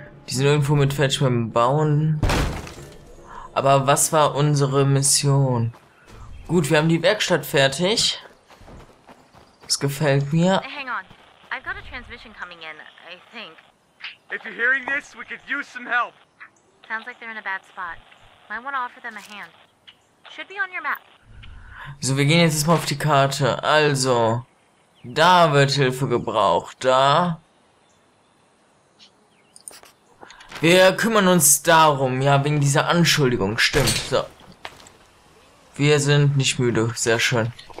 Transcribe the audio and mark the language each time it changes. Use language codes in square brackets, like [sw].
[de] Die sind irgendwo mit Fetch beim Bauen. Aber was war unsere Mission? Gut, wir haben die Werkstatt fertig. Das gefällt mir. [en] I've got a transmission coming in, I think. If you're hearing this, we could use some help. Sounds like they're in a bad spot. Might want to offer them a hand. Should be on your map. [de] So, wir gehen jetzt erstmal auf die Karte. Also, da wird Hilfe gebraucht. Da. Wir kümmern uns darum. Ja, wegen dieser Anschuldigung. Stimmt. So. Wir sind nicht müde. Sehr schön.